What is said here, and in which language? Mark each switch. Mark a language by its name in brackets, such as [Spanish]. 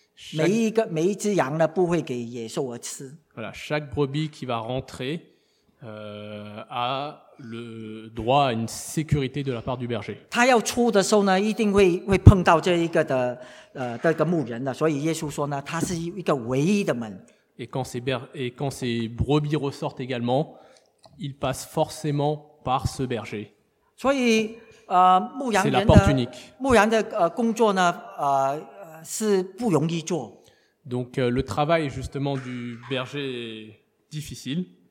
[Chinese] 啊，是他要就说每个人每个羊进去的时候呢，他都会保护安全，每一只羊呢不会给野兽而吃。 [French] Voilà, chaque brebis qui va rentrer a le droit à une sécurité de la part du berger. [Chinese] 他要出的时候呢，一定会碰到这一个的这个牧人的，所以耶稣说呢，他是一个唯一的门。 [French] Et quand ces brebis ressortent également, ils passent forcément par ce berger. [Chinese] 所以牧羊人的工作呢，是不容易做。 [French] Donc le travail justement du berger est difficile.